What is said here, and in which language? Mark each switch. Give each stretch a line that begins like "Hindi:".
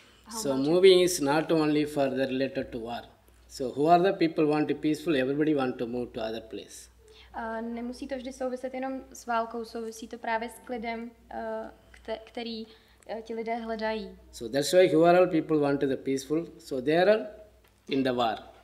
English: So moving is not only for the related to war. So who are the people want to peaceful? Everybody want to move to other place.
Czech: Nemusí to vždy souviset jenom s válkou, souvisí to právě s klidem, který ti lidé hledají.
English: So that's why who are all people want to the peaceful? So they are in the war.